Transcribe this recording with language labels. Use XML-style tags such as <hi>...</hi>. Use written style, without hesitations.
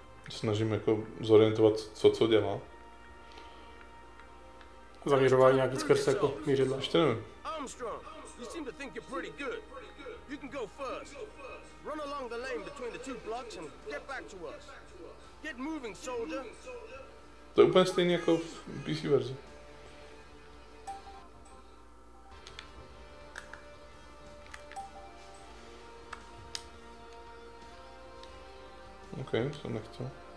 <cs>Snažím jako zorientovat, co dělá. Zaměřování nějaký skrz jako mířidla. Ještě nevím.</cs> <en>Armstrong, you seem to think you're pretty good. You can go first. Run along the lane between the two blocks and get back to us. Get moving, soldier.</en> <cs>To je úplně stejný jako v PC verzi. OK, to nechtěl.</cs>